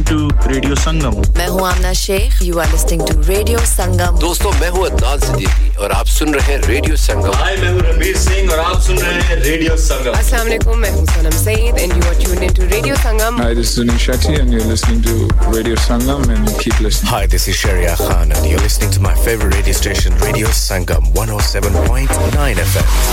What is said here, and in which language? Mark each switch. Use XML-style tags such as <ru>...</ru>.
<en>You are listening to Radio Sangam.</en> <hi>दोस्तों मैं हूँ अदनान सिद्दीकी और आप सुन रहे हैं Radio Sangam. Hi, मैं हूँ रणबीर सिंह और आप सुन रहे हैं Radio Sangam.</hi> <en>Assalamualaikum,</en> <hi>मैं हूँ</hi> <en>Sanam Saeed and you are tuned into Radio Sangam. Hi, this is Sunil Shetty and you're listening to Radio Sangam and keep listening. Hi, this is Sharia Khan and you're listening to my favorite radio station, Radio Sangam 107.9 FM.</en>